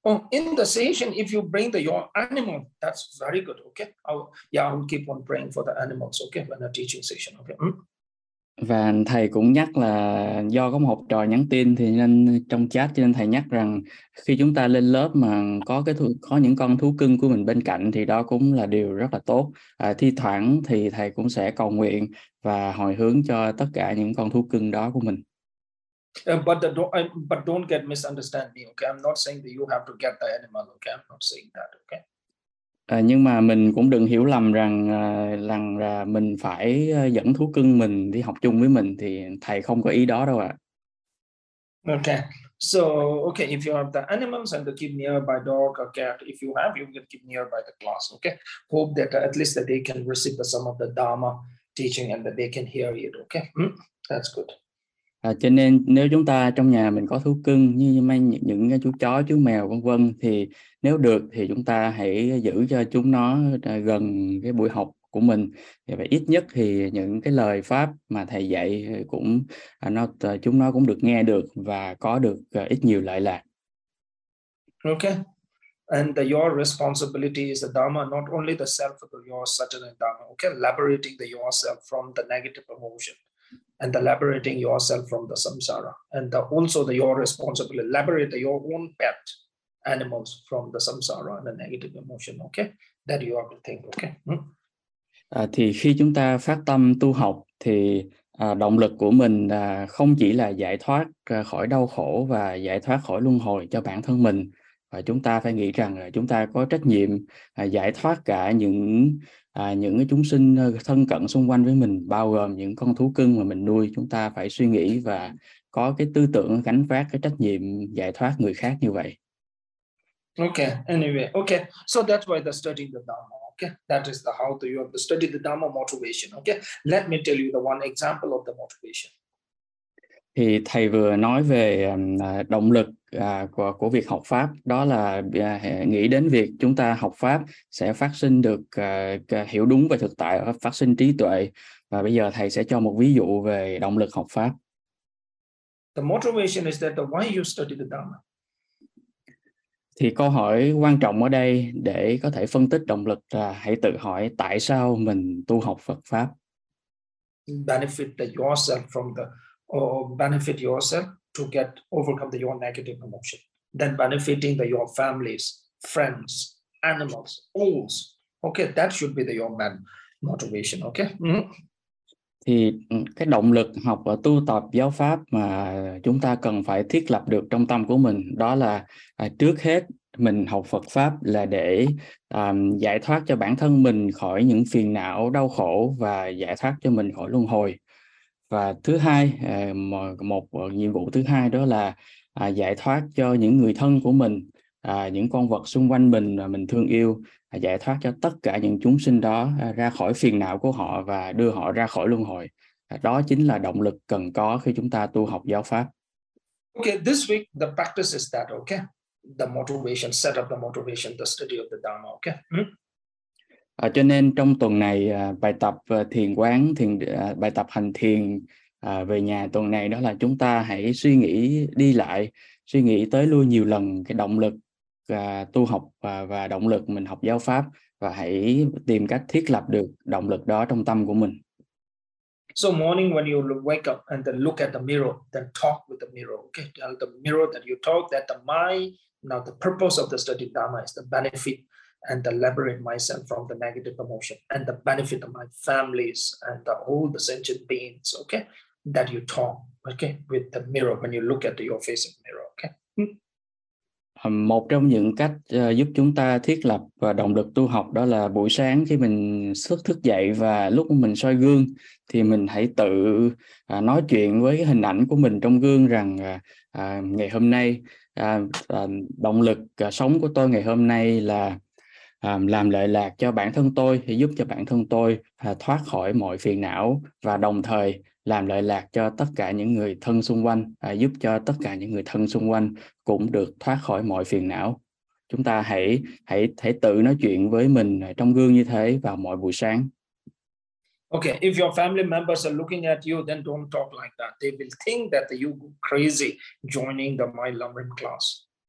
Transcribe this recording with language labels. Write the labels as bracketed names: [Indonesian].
[English] In the session, if you bring your animal, that's very good. Okay. I will keep on praying for the animals. Okay. When a teaching session. Okay. [Vietnamese] Và thầy cũng nhắc là do có một học trò nhắn tin thì nên trong chat, cho nên thầy nhắc rằng khi chúng ta lên lớp mà có những con thú cưng của mình bên cạnh thì đó cũng là điều rất là tốt. Thi thoảng thì thầy cũng sẽ cầu nguyện và hồi hướng cho tất cả những con thú cưng đó của mình. [English] But don't get misunderstand me, okay? I'm not saying that you have to get the animal, okay? I'm not saying that, okay? [Vietnamese] Nhưng mà mình cũng đừng hiểu lầm rằng là mình phải dẫn thú cưng mình đi học chung với mình, thì thầy không có ý đó đâu ạ. [English] Okay. So, okay, if you have the animals and to keep nearby dog or cat, if you have, you can keep nearby the class, okay? Hope that at least that they can receive some of the Dharma teaching and that they can hear it, okay? That's good. [Vietnamese] Cho nên nếu chúng ta trong nhà mình có thú cưng như những chú chó, chú mèo vân vân, thì nếu được thì chúng ta hãy giữ cho chúng nó gần cái buổi học của mình, và ít nhất thì những cái lời pháp mà thầy dạy cũng chúng nó cũng được nghe được và có được ít nhiều lợi lạc. [English] Okay. And your responsibility is the Dharma, not only the self of your Satana Dharma, okay, liberating the yourself from the negative emotion. And the liberating yourself from the samsara, and the, also the your responsibility liberate your own pet animals from the samsara and the negative emotion. Okay, that you have to think. Okay. [Vietnamese] Thì khi chúng ta phát tâm tu học thì động lực của mình không chỉ là giải thoát khỏi đau khổ và giải thoát khỏi luân hồi cho bản thân mình, và chúng ta phải nghĩ rằng chúng ta có trách nhiệm giải thoát cả những chúng sinh thân cận xung quanh với mình, bao gồm những con thú cưng mà mình nuôi. Chúng ta phải suy nghĩ và có cái tư tưởng gánh vác cái trách nhiệm giải thoát người khác như vậy. [English] Okay, anyway, okay. So that's why the study the Dharma, okay? That is the how to you have to study the Dharma motivation, okay? Let me tell you the one example of the motivation. [Vietnamese] Thì thầy vừa nói về động lực của việc học pháp, đó là nghĩ đến việc chúng ta học pháp sẽ phát sinh được hiểu đúng về thực tại, phát sinh trí tuệ. Và bây giờ thầy sẽ cho một ví dụ về động lực học pháp. [English] The motivation is that why you study the Dharma. [Vietnamese] Thì câu hỏi quan trọng ở đây để có thể phân tích động lực là hãy tự hỏi tại sao mình tu học Phật pháp. [English] Benefit yourself from the or benefit yourself to get overcome the your negative emotion, then benefiting the your families, friends, animals, owls. Okay, that should be the your man motivation. Okay. [Vietnamese] Thì cái động lực học và tu tập giáo pháp mà chúng ta cần phải thiết lập được trong tâm của mình, đó là trước hết mình học Phật pháp là để giải thoát cho bản thân mình khỏi những phiền não đau khổ và giải thoát cho mình khỏi luân hồi. Và thứ hai, một nhiệm vụ thứ hai đó là giải thoát cho những người thân của mình, những con vật xung quanh mình mà mình thương yêu, giải thoát cho tất cả những chúng sinh đó ra khỏi phiền não của họ và đưa họ ra khỏi luân hồi. Đó chính là động lực cần có khi chúng ta tu học giáo pháp. [English] Okay, this week the practice is that, okay? The motivation, set up the motivation, the study of the Dharma, okay? [Vietnamese] Cho nên trong tuần này bài tập thiền quán, bài tập hành thiền về nhà tuần này, đó là chúng ta hãy suy nghĩ đi lại, suy nghĩ tới lui nhiều lần cái động lực tu học và động lực mình học giáo pháp, và hãy tìm cách thiết lập được động lực đó trong tâm của mình. [English] So morning when you wake up and then look at the mirror, then talk with the mirror. Okay, tell the mirror that you talk, that the mind, now the purpose of the study Dharma is the benefit and the liberate myself from the negative emotion and the benefit of my families and the, all the sentient beings. Okay, that you talk. Okay, with the mirror when you look at your face in the mirror. Okay. [Vietnamese] Một trong những cách giúp chúng ta thiết lập và động lực tu học đó là buổi sáng khi mình thức dậy và lúc mình soi gương thì mình hãy tự nói chuyện với hình ảnh của mình trong gương rằng ngày hôm nay động lực sống của tôi ngày hôm nay là làm lợi lạc cho bản thân tôi, thì giúp cho bản thân tôi thoát khỏi mọi phiền não và đồng thời làm lợi lạc cho tất cả những người thân xung quanh, giúp cho tất cả những người thân xung quanh cũng được thoát khỏi mọi phiền não. Chúng ta hãy tự nói chuyện với mình trong gương như thế vào mỗi buổi sáng. [English] Okay, if your family members are looking at you, then don't talk like that. They will think that you crazy joining the My Lamrim class.